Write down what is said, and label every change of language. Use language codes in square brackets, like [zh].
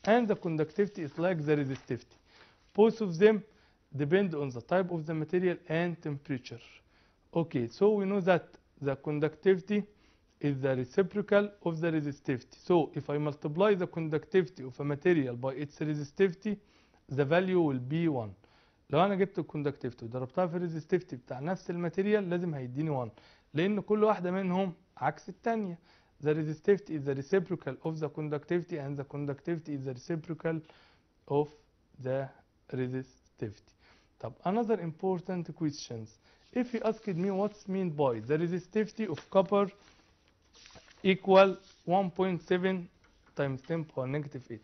[en] And the conductivity is like the resistivity. Both of them depend on the type of the material and temperature. Okay, so we know that the conductivity is the reciprocal of the resistivity. So if I multiply the conductivity of a material by its resistivity, the value will be 1. [ar] لو انا جبت الكوندكتيفيتي وضربتها في الريزستيفيتي بتاع نفس الماتيريال لازم هيديني 1، لان كل واحده منهم عكس الثانيه. [en] The resistivity is the reciprocal of the conductivity and the conductivity is the reciprocal of the resistivity. طب another important questions. If you asked me what's mean by the resistivity of copper equal 1.7 times 10 power negative 8.